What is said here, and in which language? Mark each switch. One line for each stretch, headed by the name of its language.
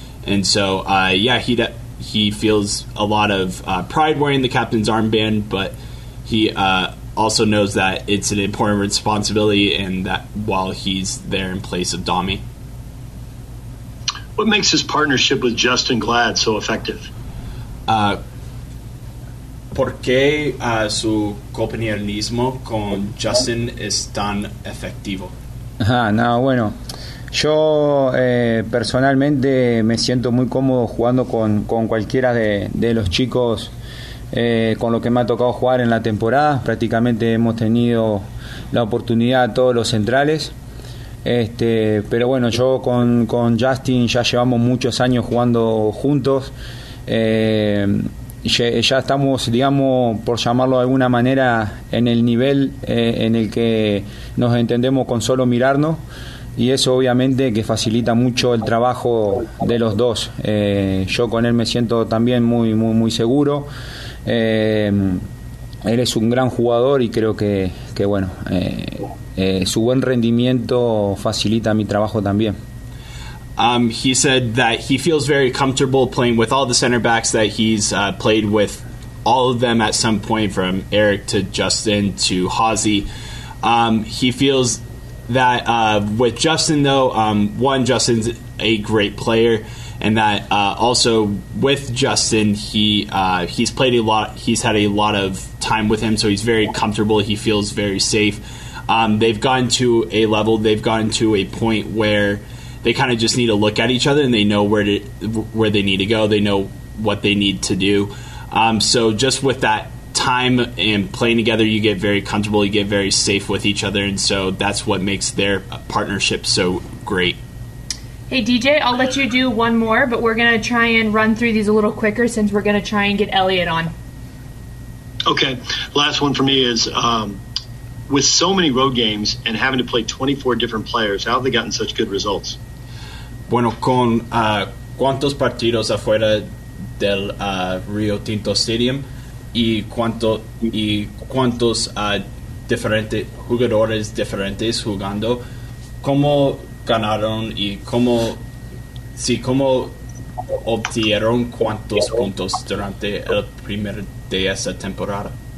English: And so, yeah, he feels a lot of pride wearing the captain's armband, but he also knows that it's an important responsibility, and that while he's there in place of Dami. What makes his partnership with Justin Glad so effective?
Spanish: ¿Por qué su compañerismo con Justin es tan efectivo? Bueno, yo personalmente me siento muy cómodo jugando con cualquiera de los chicos con los que me ha tocado jugar en la temporada. Prácticamente hemos tenido la oportunidad a todos los centrales. Pero bueno, yo con Justin ya llevamos muchos años jugando juntos. Ya estamos, digamos, por llamarlo de alguna manera, en el nivel en el que nos entendemos con solo mirarnos, y eso obviamente que facilita mucho el trabajo de los dos. Yo con él me siento también muy muy muy seguro. Él es un gran jugador y creo que bueno, su buen rendimiento facilita mi trabajo también.
English: He said that he feels very comfortable playing with all the center backs, that he's played with all of them at some point, from Eric to Justin to Hazy. He feels that with Justin, though, one, Justin's a great player, and that also with Justin, he's played a lot. He's had a lot of time with him, so he's very comfortable. He feels very safe. They've gotten to a level. They've gotten to a point where they kind of just need to look at each other, and they know where they need to go. They know what they need to do. So just with that time and playing together, you get very comfortable, you get very safe with each other, and so that's what makes their partnership so great. Hey, DJ, I'll let you do one more, but we're going to try and run through these a little quicker since we're going to try and get Elliot on. Okay, last one for me is, with so many road games and having to play 24 different players, how have they gotten such good results?
Spanish: Bueno, con cuántos partidos afuera del Rio Tinto Stadium y cuántos diferentes jugadores diferentes jugando, cómo ganaron y cómo si sí, cómo obtuvieron cuántos puntos durante el primer de esa temporada.